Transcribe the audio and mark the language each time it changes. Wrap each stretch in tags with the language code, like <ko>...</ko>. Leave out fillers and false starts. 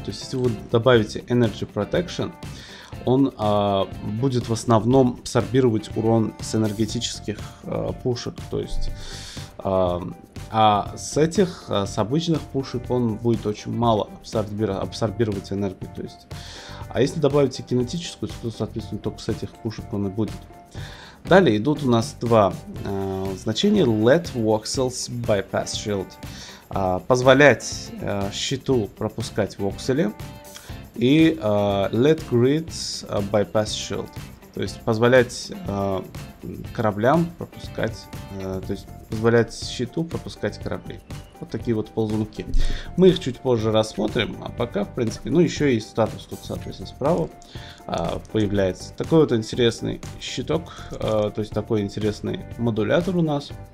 <ru>То есть если вы добавите Energy Protection, он будет в основном абсорбировать урон с энергетических пушек. То есть... А с этих, с обычных пушек, он будет очень мало абсорбировать энергию. То есть, а если добавить кинетическую, то, соответственно, только с этих пушек он и будет. Далее идут у нас два значения.</ru> <en>Let voxels bypass shield.</en> <ru>Позволять щиту пропускать воксели. И</ru> <en>let grids bypass shield.</en> <ru>То есть позволять кораблям пропускать, то есть позволять щиту пропускать корабли. Вот такие вот ползунки. Мы их чуть позже рассмотрим, а пока, в принципе, ну еще и статус тут, соответственно, справа появляется. Такой вот интересный щиток, то есть такой интересный модулятор у нас.</ru>